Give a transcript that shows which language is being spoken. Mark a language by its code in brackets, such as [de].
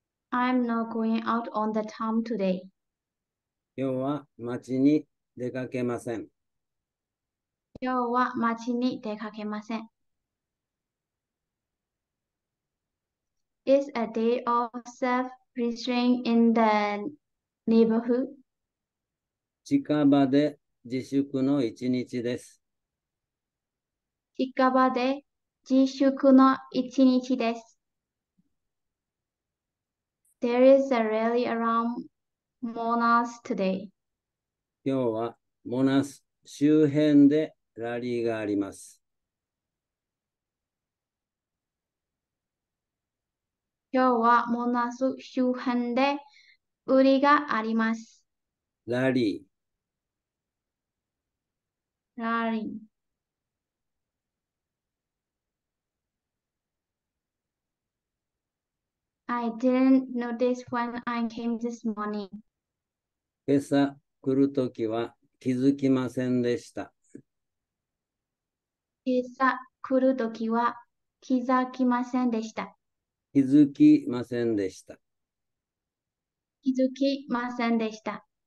[en] I'm not going out on the town today. [ja] 今日は街に出かけません。今日は街に出かけません。 [en] Is a day of self-restraint in the neighborhood? [ja] 近場で自粛の一日です。近場で自粛の一日です。 [en] There is a rally around Monas today. [ja] 今日はモナス周辺でラリーがあります。今日はモナス周辺で売りがあります。ラリー。ラリー。 [en] I didn't notice when I came this morning. [ja] 今朝来るときは気づきませんでした。今朝来るときは気づきませんでした。気づきませんでした。気づきませんでした。